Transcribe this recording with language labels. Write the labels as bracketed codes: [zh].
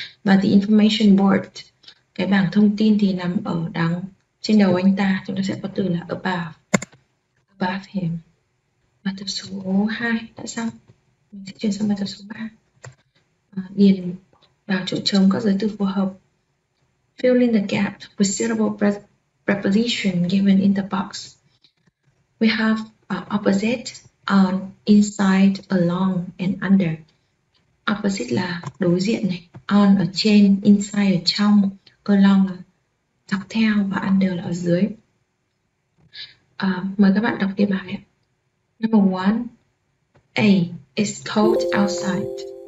[vi] Và [en] the information board. [vi] Cái bảng thông tin thì nằm ở đằng trên đầu anh ta. Chúng ta sẽ có từ là above. [en] Above him. [vi] Bài tập số 2 đã xong. Mình sẽ chuyển sang bài tập số 3. Điền vào chỗ trống các giới từ phù hợp. [en] Fill in the gap with suitable preposition given in the box. We have opposite, on, inside, along, and under. [vi] Opposite là đối diện này. On ở trên, inside ở trong. Along là dọc theo và under là ở dưới. Mời các bạn đọc đi bài ạ. [en] Number one, A, it's cold outside.